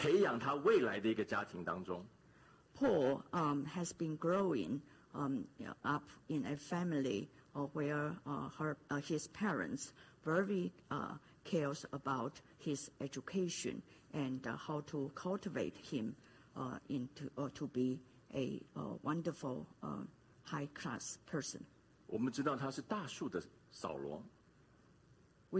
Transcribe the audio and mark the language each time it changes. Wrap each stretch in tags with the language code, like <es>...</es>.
<zh>保罗从小就是生长在一个父母非常关心他的学习和培养他未来的一个家庭当中。</zh> <en>Paul has been growing up in a family where his parents very cares about his education and how to cultivate him to be a wonderful high class person.</en> <zh>我们知道他是大树的扫罗。</zh> <en>We</en>